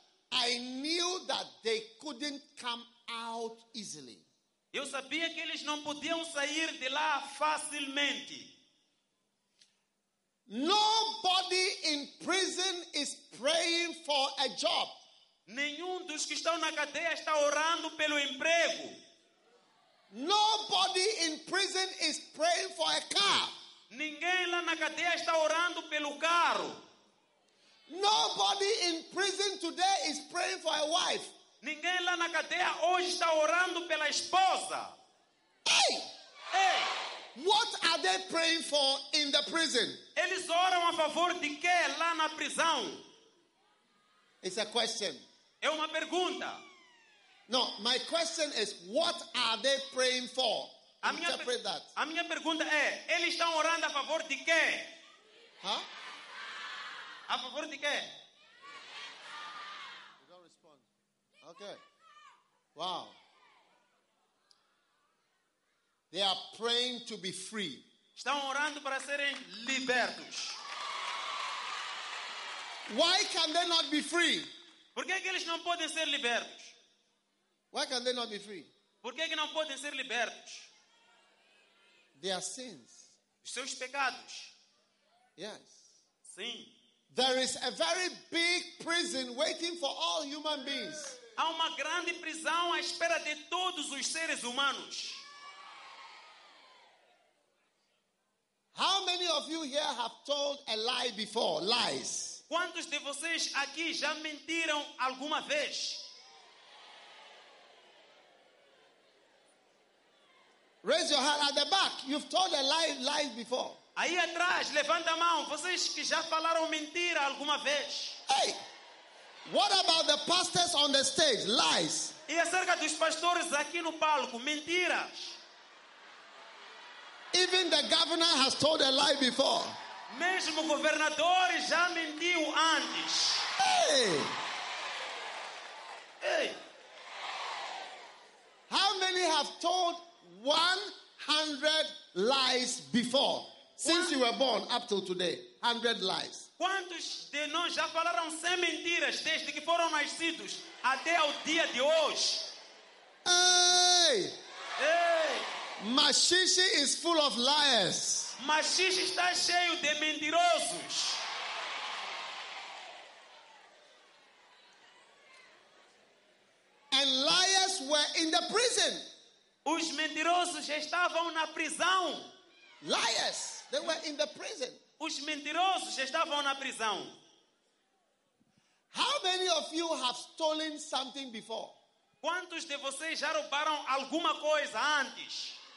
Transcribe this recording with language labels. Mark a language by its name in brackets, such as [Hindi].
[English] I knew that they couldn't come out easily. [Portuguese] Eu sabia que eles não podiam sair de lá facilmente. [English] Nobody in prison is praying for a job. [Portuguese] Nenhum dos que estão na cadeia está orando pelo emprego. [English] Nobody in prison is praying for a car. [Portuguese] Ninguém lá na cadeia está orando pelo carro. [English] Nobody in prison today is praying for a wife. [Portuguese] Ninguém lá na cadeia hoje está orando pela esposa. [English] Hey! Hey! What are they praying for in the prison? [Portuguese] Eles oram a favor de quê lá na prisão? [English] It's a question. [Portuguese] É uma pergunta. [English] No, my question is, what are they praying for? Interpret that. [Portuguese] A minha pergunta é, eles estão orando a favor de quê? Huh? A favor de quê? [English] You don't respond. Okay. Wow. They are praying to be free. [Portuguese] Estão orando para serem libertos. [English] Why can they not be free? [Portuguese] Por que eles não podem ser libertos? [English] Why can they not be free? [Portuguese] Por que não podem ser libertos? [English] Their sins. [Portuguese] Os seus pecados. [English] Yes. [Portuguese] Sim. [English] There is a very big prison waiting for all human beings. [Portuguese] Há uma grande prisão à espera de todos os seres humanos. [English] How many of you here have told a lie before? Lies. [Portuguese] Quantos de vocês aqui já mentiram alguma vez? [English] Raise your hand at the back. You've told a lie before. [Portuguese] Aí atrás, levanta a mão. Vocês que já falaram mentira alguma vez? [English] Hey! What about the pastors on the stage? Lies. [Portuguese] E acerca dos pastores aqui no palco? Mentiras. [English] Even the governor has told a lie before. [Portuguese] Mesmo o governador já mentiu antes. [English] Hey! Hey! already have told 100 lies before. Since you were born up till today, 100 lies. [Portuguese] Quantos de nós já falaram 100 mentiras desde que foram nascidos até o dia de hoje? [English] Hey! Hey! Maxixe is full of liars. [Portuguese] Maxixe está cheio de mentirosos. [English] And liars were in the prison. [Portuguese] Os mentirosos estavam na prisão. [English] Liars, they were in the prison. [Portuguese] Os mentirosos estavam na prisão. [English] How many of you have stolen something before? [Portuguese] Quantos de vocês já roubaram alguma coisa antes?